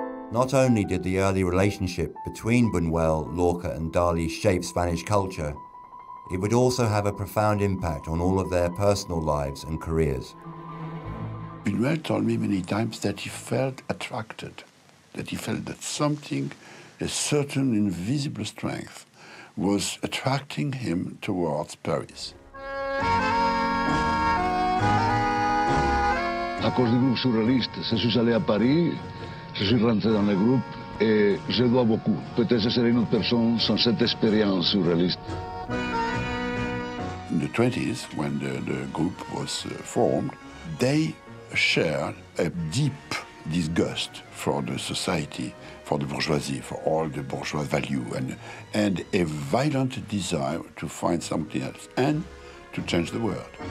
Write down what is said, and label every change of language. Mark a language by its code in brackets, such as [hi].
[en] Not only did the early relationship between Buñuel, Lorca and Dalí shape Spanish culture, it would also have a profound impact on all of their personal lives and careers. Buñuel told me many times that he felt attracted, that he felt that something, a certain invisible strength, was attracting him towards Paris. [fr] À cause du groupe surréaliste, je suis allé à Paris, je suis rentré dans le groupe et je dois beaucoup. Peut-être je serais une autre personne sans cette expérience surréaliste. [en] In the 20s, when the group was formed, they shared a deep disgust for the society, for the bourgeoisie, for all the bourgeois value, and a violent desire to find something else and to change the world.